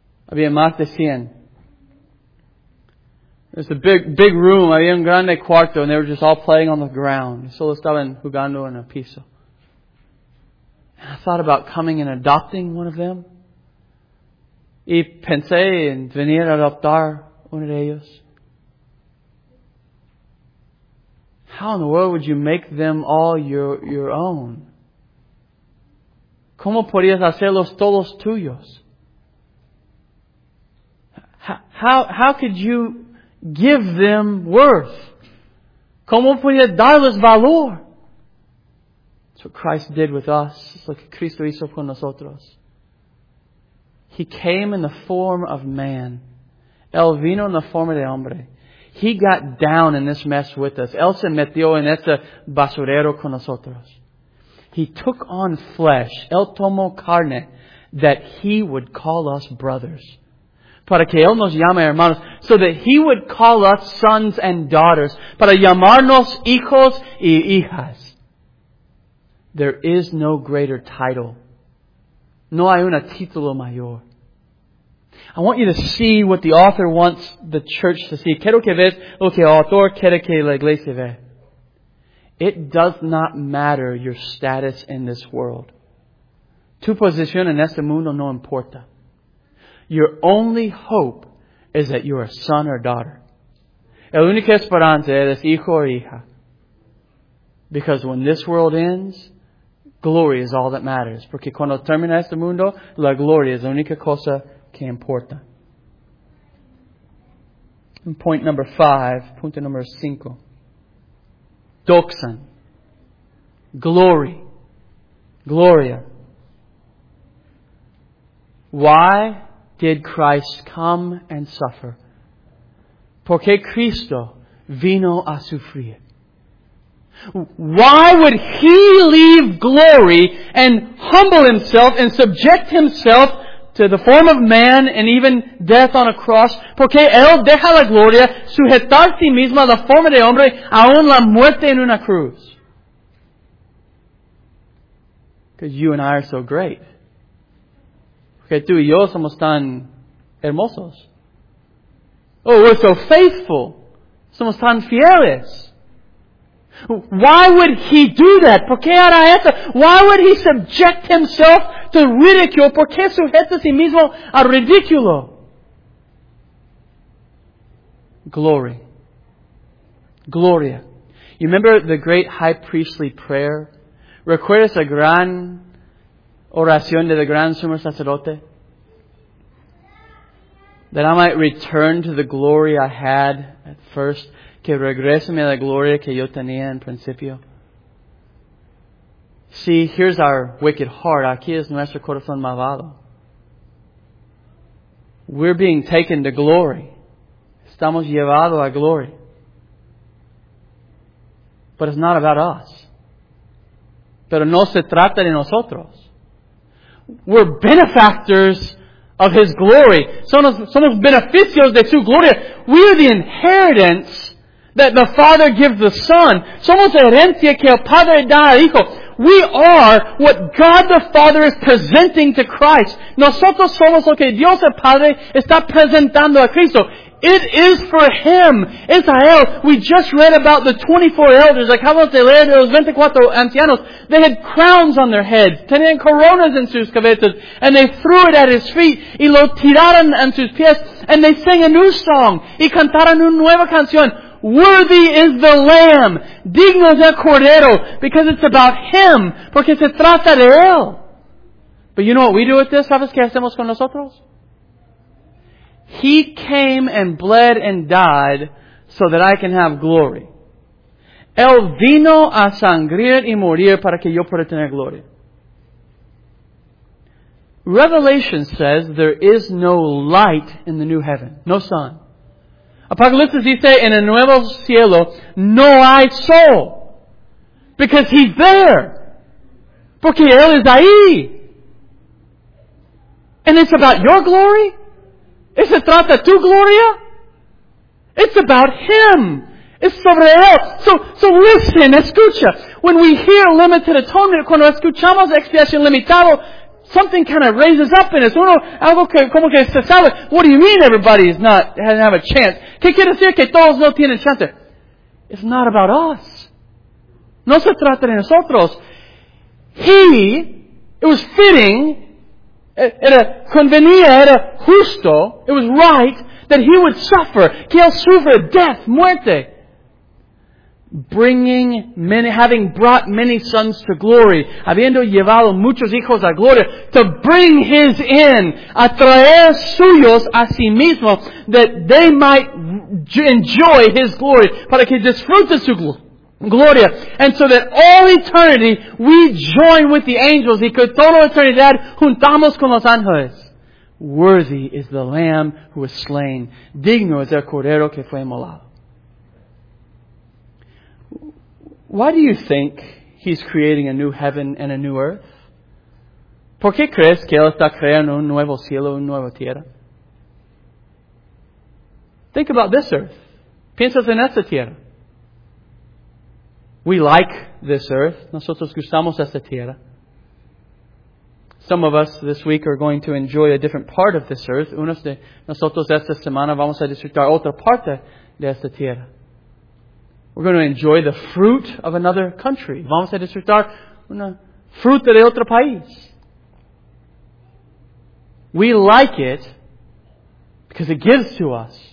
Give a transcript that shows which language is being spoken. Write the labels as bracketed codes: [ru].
[es] Había más de 100. [en] It's a big room. [es] Había un grande cuarto, [en] and they were just all playing on the ground. [es] Solo estaban jugando en el piso. [en] And I thought about coming and adopting one of them. [es] Y pensé en venir a adoptar uno de ellos. [en] How in the world would you make them all your own? [es] ¿Cómo podrías hacerlos todos tuyos? [en] How could you give them worth? [es] ¿Cómo podía darles valor? [en] That's what Christ did with us. It's like [es] Cristo hizo con nosotros. [en] He came in the form of man. [es] Él vino en la forma de hombre. [en] He got down in this mess with us. [es] Él se metió en este basurero con nosotros. [en] He took on flesh. [es] Él tomó carne. [en] That He would call us brothers. [es] Para que Él nos llame hermanos, [en] so that He would call us sons and daughters, [es] para llamarnos hijos y hijas. [en] There is no greater title. [es] No hay una título mayor. [en] I want you to see what the author wants the church to see. [es] Quiero que veas lo que el autor quiere que la iglesia vea. [en] It does not matter your status in this world. [es] Tu posición en este mundo no importa. [en] Your only hope is that you are a son or daughter. [es] El única esperanza es hijo o hija. [en] Because when this world ends, glory is all that matters. [es] Porque cuando termina este mundo, la gloria es la única cosa que importa. [en] And [es] punto número cinco. Doxan. [en] Glory. [es] Gloria. [en] Why did Christ come and suffer? [es] Porque Cristo vino a sufrir. [en] Why would He leave glory and humble Himself and subject Himself to the form of man and even death on a cross? [es] Porque Él deja la gloria, sujetar sí mismo a la forma de hombre, aún la muerte en una cruz. [en] Because you and I are so great. [es] Porque tú y yo somos tan hermosos. [en] Oh, we're so faithful. [es] Somos tan fieles. [en] Why would He do that? [es] ¿Por qué hará eso? [en] Why would He subject Himself to ridicule? [es] ¿Por qué sujeta a sí mismo a ridículo? [en] Glory. [es] Gloria. [en] You remember the great high priestly prayer? [es] ¿Recuerdas la gran oración de la gran sumo sacerdote? [en] That I might return to the glory I had at first. [es] Que regrese a la gloria que yo tenía en principio. [en] See, here's our wicked heart. [es] Aquí es nuestro corazón malvado. [en] We're being taken to glory. [es] Estamos llevados a [en] glory. But it's not about us. [es] Pero no se trata de nosotros. [en] We're benefactors of His glory. [es] Somos beneficios de su gloria. [en] We are the inheritance that the Father gives the Son. [es] Somos herencia que el Padre da al Hijo. [en] We are what God the Father is presenting to Christ. [es] Nosotros somos lo que Dios el Padre está presentando a Cristo. [en] It is for Him. [es] Es a Él. [en] We just read about the 24 elders. [es] Acabamos de leer de los 24 ancianos. [en] They had crowns on their heads. [es] Tenían coronas en sus cabezas. [en] And they threw it at His feet. [es] Y lo tiraron en sus pies. [en] And they sang a new song. [es] Y cantaron una nueva canción. [en] Worthy is the Lamb. [es] Digno es el Cordero. [en] Because it's about Him. [es] Porque se trata de Él. [en] But you know what we do with this? [es] ¿Sabes qué hacemos con nosotros? [en] He came and bled and died so that I can have glory. [es] Él vino a sangrir y morir para que yo pueda tener gloria. [en] Revelation says there is no light in the new heaven. No sun. [es] Apocalipsis dice, en el nuevo cielo, no hay sol. [en] Because He's there. [es] Porque Él es ahí. [en] And it's about your glory. [es] Es se trata tu gloria. [en] It's about Him. It's [es] sobre Él. [en] So listen, [es] escucha. [en] When we hear limited atonement, [es] cuando escuchamos expiación limitado, [en] something kind of raises up in us. [es] Uno, algo que, como que se sale. [en] What do you mean everybody is not, doesn't have a chance? [es] ¿Qué quiere decir que todos no tienen chance? [en] It's not about us. [es] No se trata de nosotros. [en] He, it was fitting, [es] era convenía, era justo, [en] it was right that He would suffer, [es] que Él sufra [en] death, [es] muerte. [en] Bringing many, having brought many sons to glory, [es] habiendo llevado muchos hijos a gloria, [en] to bring His in, [es] a traer suyos a sí mismo, [en] that they might enjoy His glory, [es] para que disfrute su gloria, [en] and so that all eternity we join with the angels, [es] y que toda eternidad juntamos con los ángeles. [en] Worthy is the Lamb who was slain, [es] digno es el Cordero que fue inmolado. [en] Why do you think He's creating a new heaven and a new earth? [es] ¿Por qué crees que Él está creando un nuevo cielo, una nueva tierra? [en] Think about this earth. [es] Piensas en esta tierra. [en] We like this earth. [es] Nosotros gustamos esta tierra. [en] Some of us this week are going to enjoy a different part of this earth. [es] Unos de nosotros esta semana vamos a disfrutar otra parte de esta tierra. [en] We're going to enjoy the fruit of another country. [es] Vamos a disfrutar una fruta de otro país. [en] We like it because it gives to us.